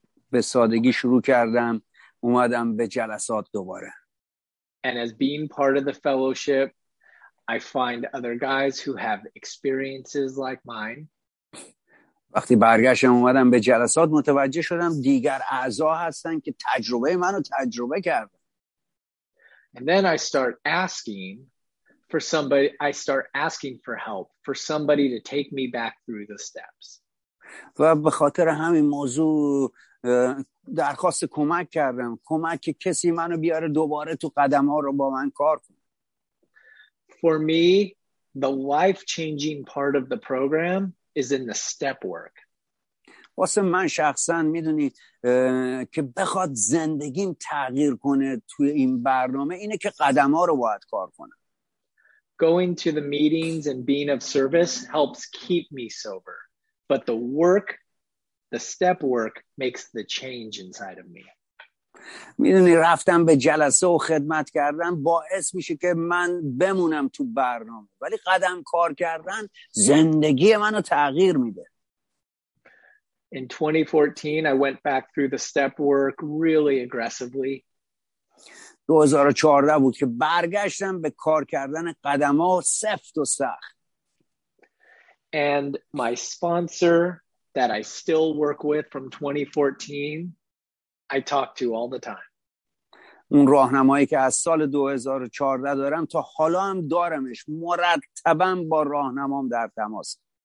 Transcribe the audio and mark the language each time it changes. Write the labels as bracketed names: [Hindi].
[Persian] به سادگی شروع کردم اومدم به جلسات دوباره. [English] And as being part of the fellowship, I find other guys who have experiences like mine. [Persian] وقتی برگشتم اومدم به جلسات متوجه شدم دیگر اعضا هستن که تجربه منو تجربه کردن. [English] And then I start asking for somebody, I start asking for help, for somebody to take me back through the steps. [Persian] و به خاطر همین موضوع درخواست کمک کردم، کمک کسی منو بیاره دوباره تو قدم ها رو با من کار کنه. [English] For me, the life-changing part of the program is in the step work. [Persian] واسه من شخصا میدونی که بخواد زندگیم تغییر کنه توی این برنامه اینه که قدم ها رو باید کار کنم. [English] Going to the meetings and being of service helps keep me sober, but the work, the step work makes the change inside of me. [Persian] میدونی رفتم به جلسه و خدمت کردن باعث میشه که من بمونم تو برنامه، ولی قدم کار کردن زندگی منو تغییر میده. [English] In 2014 I went back through the step work really aggressively. [Persian] 2014 بود که برگشتم به کار کردن قدم ها سفت و سخت. [English] And my sponsor that I still work with from 2014 I talk to all the time. [Persian] اون راهنمایی که از سال 2014 دارم تا حالا هم دارمش، مرتبا با راهنمام در تماس.